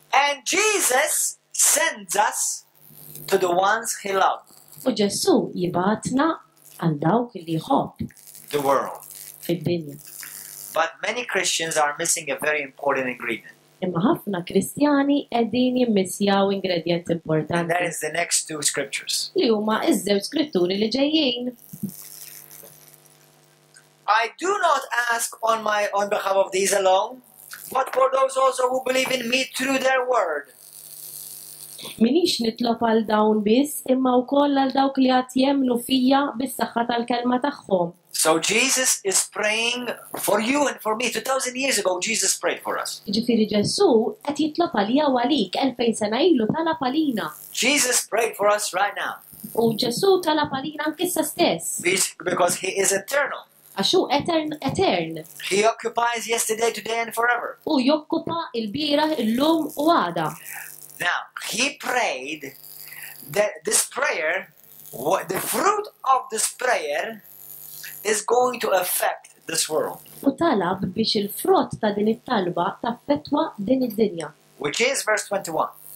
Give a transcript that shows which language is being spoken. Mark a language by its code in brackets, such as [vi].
[en] And Jesus sends us to the ones he loved. [mt] U Gesù jibgħatna għal dawk li jħobb. [en] The world. [mt] Fid-dinja. [en] But many Christians are missing a very important ingredient. [mt] Imma ħafna Kristjani qegħdin jimmissjaw ingredient importanti. [en] That is the next two scriptures. [mt] Li huma ż-żewġ skritturi li ġejjin. [en] I do not ask on behalf of these alone, but for those also who believe in me through their word. [mt] Minix nitlob għal dawn biss, imma wkoll għal dawk li qed jemmnu fija bis-saħħa tal-kelma tagħhom. [en] So Jesus is praying for you and for me. 2,000 years ago, Jesus prayed for us. [mt] Ġifieri Ġesù qed jitlob għalija u għalik 2,000 sena ilu talab għalina. [en] Jesus prayed for us right now. [mt] U Ġesù talab għalina anke stess. [en] Because he is eternal. [mt] Għax hu etern. [en] He occupies yesterday, today and forever. [mt] U jokkupa l-bira, l-lum u għada. [en] Now, he prayed that this prayer, the fruit of this prayer, is going to affect this world. [mt] U talab biex il-frott ta' din it-talba taffettwa din id-dinja. [en] Which is verse 21.